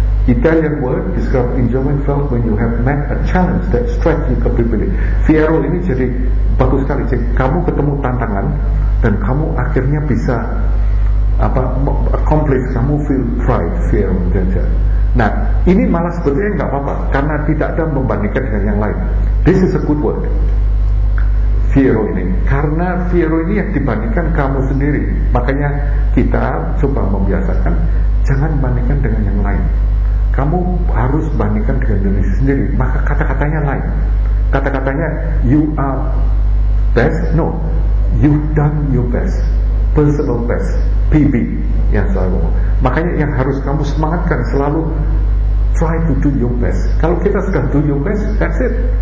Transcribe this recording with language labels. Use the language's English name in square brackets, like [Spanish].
[English] Italian word describe enjoyment felt when you have met a challenge that stretch your capability. [Indonesian] Piero ini jadi bagus sekali. Jadi kamu ketemu tantangan dan kamu akhirnya bisa apa accomplish. Kamu [English] feel pride, [Indonesian] Piero danger. Nah, ini malah sebetulnya enggak apa-apa karena tidak ada membandingkan dengan yang lain. [English] This is a good word. [Indonesian] Fiero ini, karena Fiero ini yang dibandingkan kamu sendiri. Makanya kita coba membiasakan, jangan bandingkan dengan yang lain. Kamu harus bandingkan dengan diri sendiri. Maka kata-katanya lain. Kata-katanya, [English] you are best. No, you've done your best. Personal best, PB [Indonesian] yang saya ngomong. Makanya yang harus kamu semangatkan selalu, [English] try to do your best. [Indonesian] Kalau kita sudah [English] do your best, that's it.